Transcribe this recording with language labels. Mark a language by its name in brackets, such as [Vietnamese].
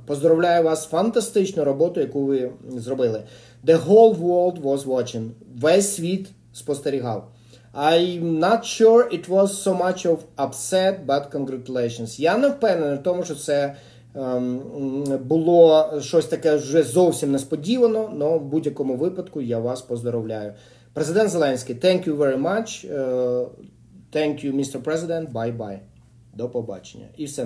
[Ukrainian] Поздравляю вас з фантастичною роботою, яку ви зробили. [English] The whole world was watching. [Ukrainian] Весь світ спостерігав. [English] I'm not sure it was so much of upset, but congratulations. [Ukrainian] Я не впевнений в тому, що це було щось таке вже зовсім несподівано, але в будь-якому випадку я вас поздравляю. [English] Президент Зеленський, thank you very much. Thank you, Mr. President. Bye-bye. [Ukrainian] До побачення. І все.